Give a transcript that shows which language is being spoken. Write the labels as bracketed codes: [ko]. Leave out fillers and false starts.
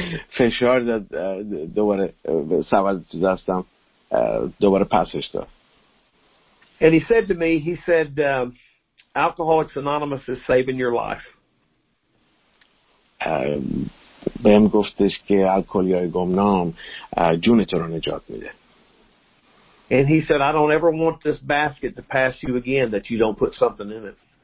[fa] فشار داد دوباره سوال تو دستم دوباره پسش داد. [en] And he said to me, he said, Alcoholics Anonymous is saving your life. [fa] بهم گفتش که الکلی های گمنام جونت رو نجات میده. [en] And he said, I don't ever want this basket to pass you again that you don't put something in it.